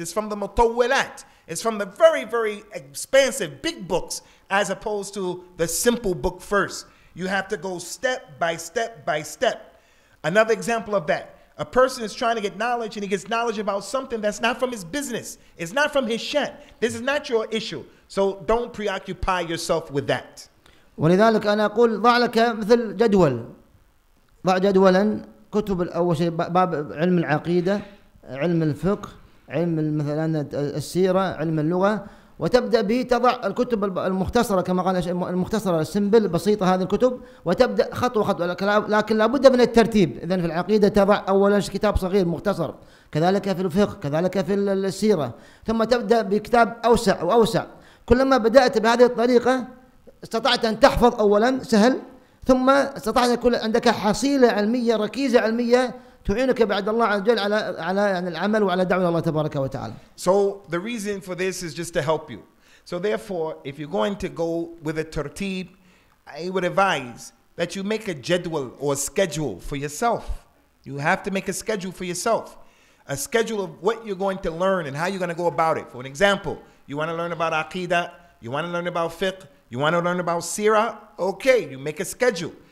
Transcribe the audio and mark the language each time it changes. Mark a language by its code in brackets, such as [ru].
[en] It's from the mutawwilat. It's from the very, very expansive big books as opposed to the simple book first. You have to go step by step by step. Another example of that. A person is trying to get knowledge and he gets knowledge about something that's not from his business. It's not from his shan. This is not your issue. So don't preoccupy yourself with that. [ar] ولذلك أنا أقول ضع لك مثل جدول. ضع جدولا كتب أول شيء باب علم العقيدة علم الفقه علم مثلا السيرة علم اللغة وتبدأ به تضع الكتب المختصرة كما قال المختصرة السمبل بسيطة هذه الكتب وتبدأ خطوة خطوة لكن لابد من الترتيب إذن في العقيدة تضع أولا كتاب صغير مختصر كذلك في الفقه كذلك في السيرة ثم تبدأ بكتاب أوسع وأوسع كلما بدأت بهذه الطريقة استطعت أن تحفظ أولا سهل ثم استطعت أن يكون عندك حصيلة علمية ركيزة علمية تعينك بعد الله عز وجل على العمل وعلى دعوة الله تبارك وتعالى. [en] So the reason for this is just to help you. So therefore, if you're going to go with a tertib, I would advise that you make a jadwal or a schedule for yourself. You have to make a schedule for yourself. A schedule of what you're going to learn and how you're going to go about it. For an example, you want to learn about aqidah, you want to learn about fiqh, you want to learn about seerah, okay, you make a schedule.